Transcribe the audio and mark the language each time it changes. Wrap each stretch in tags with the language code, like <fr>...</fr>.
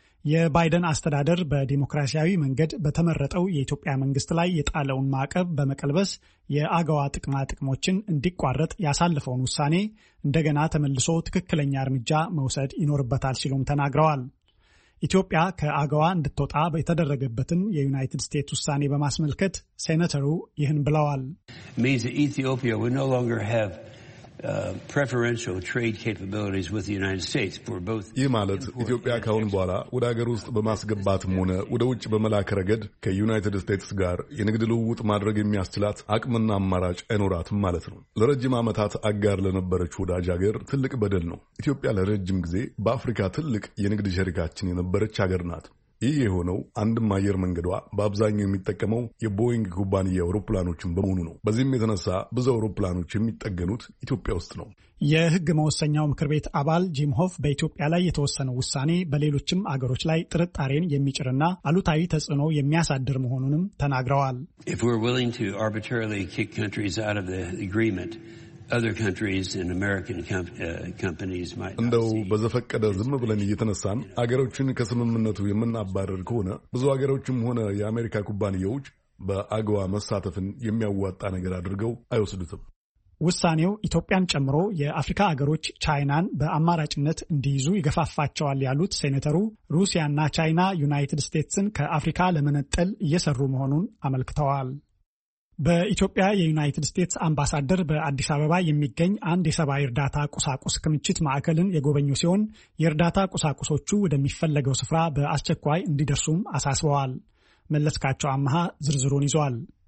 <am>የባይደን አስተዳደር በዲሞክራሲያዊ መንገድ በተመረጠው የኢትዮጵያ መንግስት ላይ የጣለውን ማዕቀብ በመቀልበስ የአገዋ ጥቅማ ጥቅሞችን እንዲቋረጥ ያሳለፈውን ውሳኔ እንደገና ተመልሶ ትክክለኛ እርምጃ መውሰድ ይኖርበታል ሲሉም ተናግረዋል። ኢትዮጵያ ከአገዋ እንድትወጣ የተደረገበትን የዩናይትድ ስቴትስ ውሳኔ በማስመልከት ሴኔተሩ ይህን ብለዋል።</am> <en>ኢትዮጵያ we no longer have preferential trade capabilities with the United States for both.</en> <am>ይህ ማለት ኢትዮጵያ ካሁን በኋላ ወደ አገር ውስጥ በማስገባትም ሆነ ወደ ውጭ በመላክ ረገድ ከዩናይትድ ስቴትስ ጋር የንግድ ልውውጥ ማድረግ የሚያስችላት አቅምና አማራጭ አይኖራትም ማለት ነው። ለረጅም ዓመታት አጋር ለነበረች ወዳጅ አገር ትልቅ በደል ነው። ኢትዮጵያ ለረጅም ጊዜ በአፍሪካ ትልቅ የንግድ ሸሪካችን የነበረች አገር ናት። ይህ የሆነው አንድም አየር መንገዷ በአብዛኛው የሚጠቀመው የቦይንግ ኩባንያ አውሮፕላኖችን በመሆኑ ነው። በዚህም የተነሳ ብዙ አውሮፕላኖች የሚጠገኑት ኢትዮጵያ ውስጥ ነው። የሕግ መወሰኛው ምክር ቤት አባል ጂም ሆፍ በኢትዮጵያ ላይ የተወሰነው ውሳኔ በሌሎችም አገሮች ላይ ጥርጣሬን የሚጭርና አሉታዊ ተጽዕኖ የሚያሳድር መሆኑንም ተናግረዋል።</am> <en>If we're willing to arbitrarily kick countries out of the agreement, other countries and American companies might not see.</en> <am>እንደው በዘፈቀደ ዝም ብለን እየተነሳን አገሮችን ከስምምነቱ የምናባረር ከሆነ ብዙ አገሮችም ሆነ የአሜሪካ ኩባንያዎች በአገዋ መሳተፍን የሚያዋጣ ነገር አድርገው አይወስዱትም። ውሳኔው ኢትዮጵያን ጨምሮ የአፍሪካ አገሮች ቻይናን በአማራጭነት እንዲይዙ ይገፋፋቸዋል ያሉት ሴኔተሩ ሩሲያና ቻይና ዩናይትድ ስቴትስን ከአፍሪካ ለመነጠል እየሰሩ መሆኑን አመልክተዋል። በኢትዮጵያ የዩናይትድ ስቴትስ አምባሳደር በአዲስ አበባ የሚገኝ አንድ የሰብአዊ እርዳታ ቁሳቁስ ክምችት ማዕከልን የጎበኙ ሲሆን የእርዳታ ቁሳቁሶቹ ወደሚፈለገው ስፍራ በአስቸኳይ እንዲደርሱም አሳስበዋል። መለስካቸው አመሃ ዝርዝሩን ይዟል።</am>